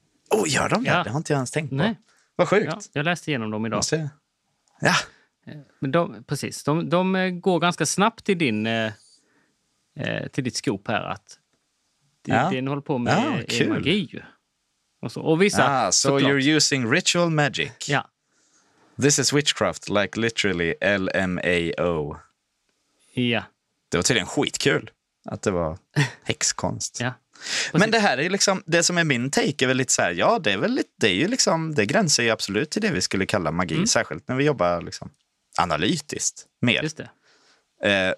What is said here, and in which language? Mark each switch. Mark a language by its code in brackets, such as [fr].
[sv] Oh, gör de det? Ja. Det har inte jag ens tänkt på. Vad sjukt. Ja, jag läste igenom dem idag. Ja. Men de, precis, de går ganska snabbt i din... till ditt skop här att det ni håller på med är magi ju. Och vissa [en] so [sv] såklart. [en] You're using ritual magic. [sv] Ja. [en] This is witchcraft, like literally LMAO. [sv] Ja. Det var tydligen skitkul att det var häxkonst. Ja. Men det här är liksom det som är min take är väl lite så här, ja, det är väl lite, det är ju liksom det gränsar ju absolut till det vi skulle kalla magi, särskilt när vi jobbar liksom analytiskt mer. Just det.